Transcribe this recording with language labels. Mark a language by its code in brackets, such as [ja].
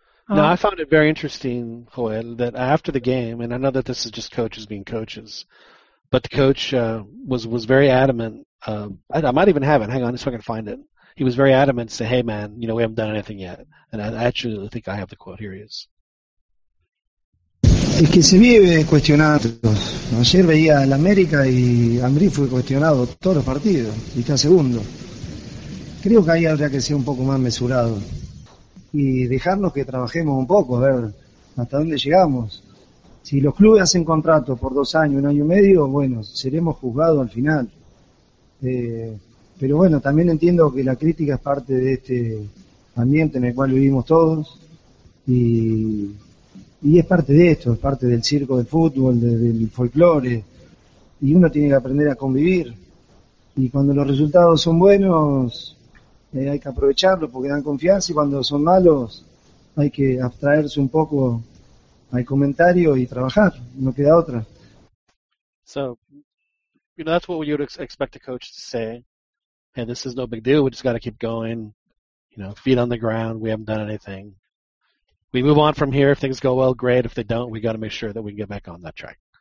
[en] Now, I found it very interesting, Joel, that after the game, and I know that this is just coaches being coaches, but the coach was very adamant. I might even have it. Hang on, just so I can find it. He was very adamant to say, hey, man, you know, we haven't done anything yet. And I actually think I have the quote. Here he is. [es] El que se vive cuestionado. Ayer veía al América y Ambriz fue cuestionado todos los partidos. Y está segundo. Creo que ahí habría que ser un poco más mesurado. Y dejarnos que trabajemos un poco, a ver hasta dónde llegamos. Si los clubes hacen contrato por 2 años, 1 año y medio, bueno, seremos juzgados al final. Pero bueno, también entiendo que la crítica es parte de este ambiente en el cual vivimos todos y es parte de esto, es parte del circo del fútbol, del folclore, y uno tiene que aprender a convivir. Y cuando los resultados son buenos, hay que aprovecharlos porque dan confianza, y cuando son malos hay que abstraerse un poco al comentario y trabajar, no queda otra. [en] So, you know, that's what you would expect a coach to say. And this is no big deal. We just got to keep going, you know, feet on the ground. We haven't done anything. We move on from here. If things go well, great. If they don't, we got to make sure that we can get back on that track.